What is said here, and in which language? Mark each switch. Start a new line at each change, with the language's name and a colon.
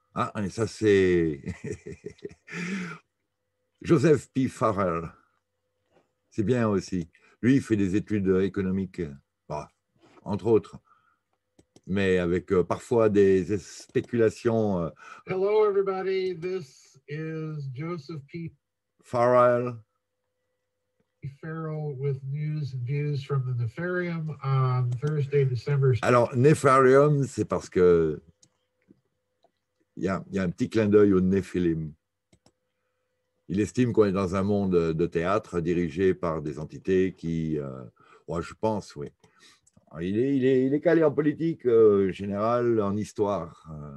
French: Ah, et ça c'est Joseph P. Farrell. C'est bien aussi. Lui, il fait des études économiques, bah, entre autres. Mais avec parfois des spéculations.
English: Hello everybody, this is Joseph P. Farrell. Farrell with news and views from the Nefarium on Thursday, December.
French: Alors, Nefarium, c'est parce que il y a un petit clin d'œil au Nephilim. Il estime qu'on est dans un monde de théâtre dirigé par des entités qui, je pense, oui. Il est calé en politique générale, en histoire.